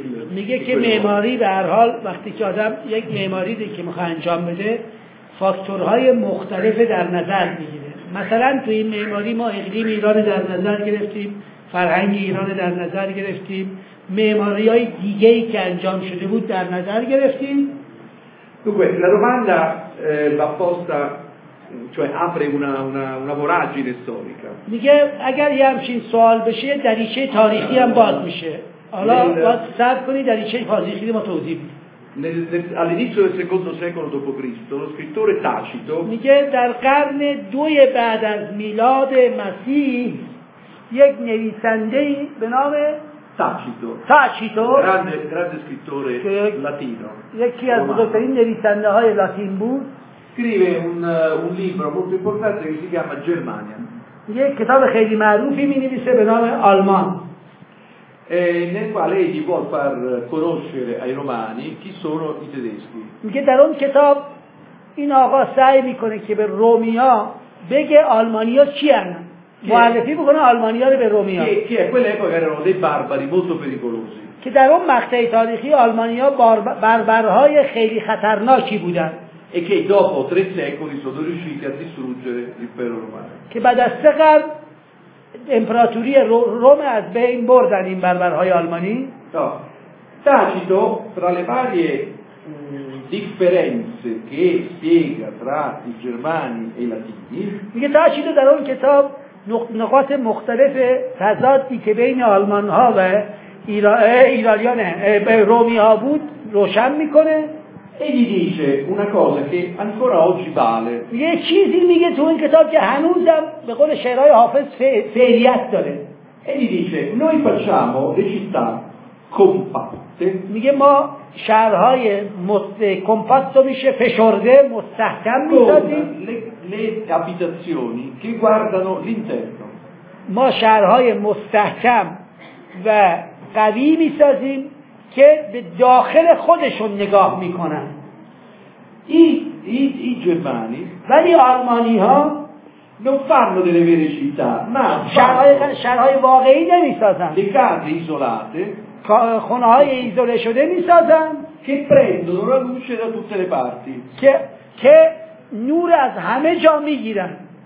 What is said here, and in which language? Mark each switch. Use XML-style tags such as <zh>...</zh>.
<fa>میگه که معماری به هر حال وقتی که آدم یک معماری دیگه که میخواه انجام بده فاکتورهای مختلف در نظر میگیره مثلا تو این معماری ما اقلیم ایران در نظر گرفتیم فرهنگ ایران در نظر گرفتیم معماری های دیگه ای که انجام شده بود در نظر گرفتیم</fa> <it>dunque la domanda va posta cioè apre una voragine storica</it> <fa>میگه اگر یه همچین سوال بشه دریچه تاریخی هم باز میشه حالا باید صبر کنی دریچه تاریخی ما توضیح بدیم</fa> <it>all'inizio del secondo secolo dopo Cristo lo scrittore Tacito</it> <fa>میگه در قرن دوی بعد از میلاد مسیح یک نویسنده به نام</fa> <it>Tacito grande scrittore latino</it> <fa>یکی از بزرگترین نویسنده های لاتین بود</fa> <it>scrive un libro molto importante che si chiama Germania.</it> <fa>یه کتاب خیلی معروفی می‌نویسه به نام آلمان.</fa> <it>Nel quale egli vuol far conoscere ai romani chi sono i tedeschi.</it> <fa>میگه در اون کتاب این آقا سعی می‌کنه که به رومیا بگه آلمانی‌ها چی هستند. معرفی بکنه آلمانی‌ها رو به رومیا.</fa> <it>Che a quell'epoca erano dei barbari molto pericolosi.</it> <fa>که در اون مقطع تاریخی آلمانی‌ها بربرهای خیلی خطرناکی بودند.</fa> <it>E che dopo tre secoli sono riusciti a distruggere l'impero romano.</it> <fa>Che بعد از سه قرن امپراتوری روم از بین بردن این بربرهای آلمانی؟</fa> <it>Tacito, tra le varie differenze che spiega tra i germani e i latini.</it> <fa>میگه تا چیده در اون کتاب نقاط مختلف تضادی که بین آلمان ها و ایرانیان رومی ها بود روشن میکنه.</fa> <it>E gli dice una cosa che ancora oggi vale.</it> <fa>یه چیزی میگه تو این کتاب که هنوزم به قول شعرهای حافظ فعلیت داره.</fa> <it>E gli dice noi facciamo le città compatte.</it> <fa>میگه ما شهرهای compatto میشه فشرده مستحکم میسازیم.</fa> <it>Le abitazioni che guardano l'interno.</it> <fa>ما شهرهای مستحکم و قوی میسازیم که به داخل خودشون نگاه میکنن.</fa> <it>I germani,</it> <fa>ولی آلمانی ها</fa> <it>non fanno delle vere città, ma</it> <fa>شهرهای واقعی نمیسازن.</fa> <it>Le case isolate,</it> <fa>خونه های ایزوله شده میسازن</fa> <it>che prendono la luce da tutte le parti,</it> <fa>che نور از همه جا میگیرن.</fa>